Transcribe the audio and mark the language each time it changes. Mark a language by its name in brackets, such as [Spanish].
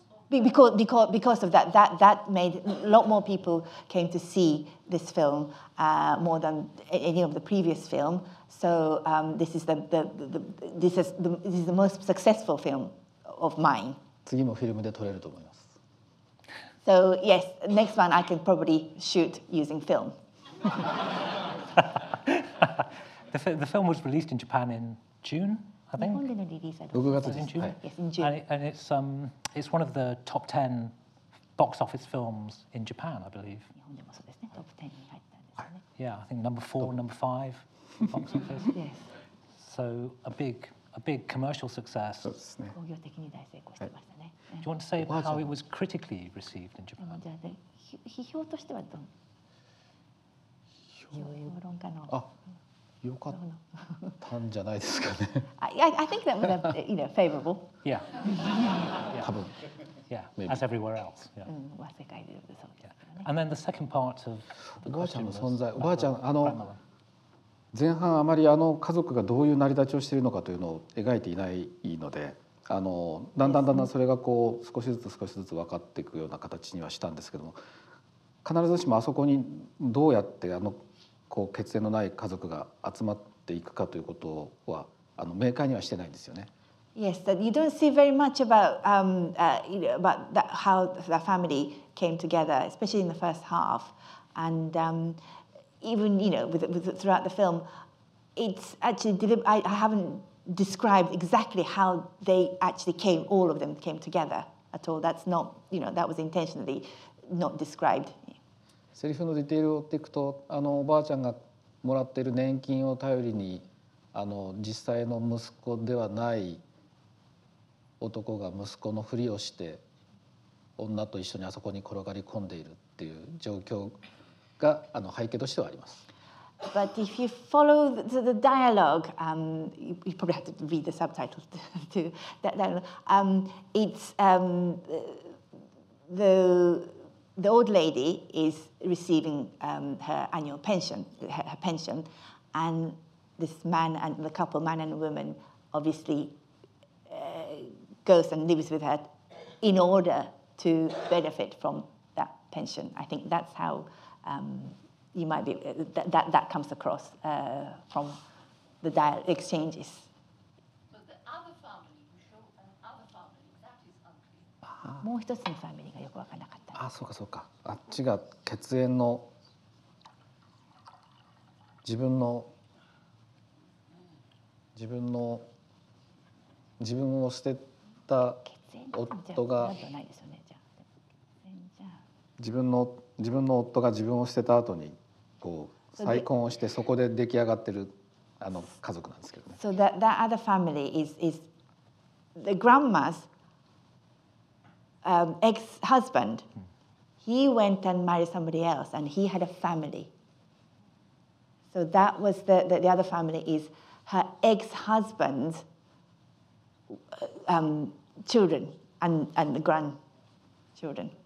[English] Because of that, that made a lot more people came to see this film more than any of the previous film. So this is the most successful film of mine. [Japanese] 次もフィルムで撮れると思います。 [English] So yes, next one I can probably shoot using film. the film was released in Japan in June. I think. [Japanese] 日本でのリリースは6月です。 [English] Yes, in June. And it's one of the top 10 box office films in Japan, I believe. [Japanese] 日本でもそうですね。トップ10に入ったんですね。 [English] Yeah, I think number 4, number 5 box office. Yes. So a big commercial success. [Japanese] そうですね。工業的に大成功してましたね。 [English] Do you want to say how it was critically received in Japan? [Japanese] じゃあ、批評としてはどん。評論家の。良かったんじゃないですかね。 [English] I think that was a, you know, favorable. Yeah. [Japanese] Yeah. 多分。 [English] Yeah. Maybe. As everywhere else. [Japanese] Yeah. 世界でそうですね。 [English] And then the second part of [Japanese] おばあちゃんの存在。おばあちゃん、あの前半あまりあの家族がどういう成り立ちをしているのかというのを描いていないので、あのだんだんだんだんそれがこう少しずつ少しずつ分かっていくような形にはしたんですけども、必ずしもあそこにどうやってあのこう血縁のない家族が集まっていくかということはあの明快にはしてないんですよね。 [English] Yes, that you don't see very much about you know, about that, how the family came together, especially in the first half, and even you know with throughout the film, it's actually I haven't described exactly how they actually came, all of them came together at all. That's not, you know, that was intentionally not described. [Japanese] セリフのディテールを追っていくと、あのおばあちゃんがもらっている年金を頼りに、あの実際の息子ではない男が息子のふりをして女と一緒にあそこに転がり込んでいるっていう状況があの背景としてはあります。 [English] But if you follow the dialogue, you probably have to read the subtitles to that. It's the old lady is receiving her annual pension, her pension, and this man and the couple, man and woman, obviously goes and lives with her in order to benefit from that pension. I think that's how you might be, that comes across from the exchanges. But the other family, you show another family, that is unclear. [Japanese] もう一つのファミリーがよくわからなかった。あ、そうかそうか。あっちが血縁の自分を捨てた夫が自分の夫が自分を捨てた後にこう再婚をしてそこで出来上がってるあの家族なんですけどね。 [English] So that other family is the grandma's ex-husband. He went and married somebody else, and he had a family. So that was the other family is her ex-husband's children and the grandchildren.